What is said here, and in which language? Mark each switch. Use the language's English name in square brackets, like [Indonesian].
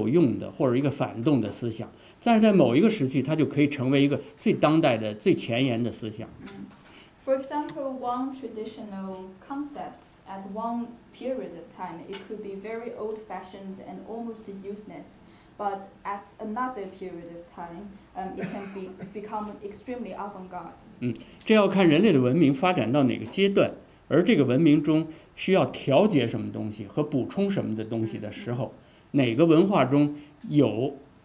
[Chinese] 比如说这个，实际上这，就是说，比如说一个传统概念，在某一个时期，它就是非常传统或者没有用的，或者一个反动的思想。但是在某一个时期，它就可以成为一个最当代的、最前沿的思想。 [English] For example, one traditional concept at one period of time, it could be very old-fashioned and almost useless. But at another period of time, it can become extremely avant-garde. [Chinese] 这要看人类的文明发展到哪个阶段，而这个文明中需要调节什么东西和补充什么的东西的时候，哪个文化中有。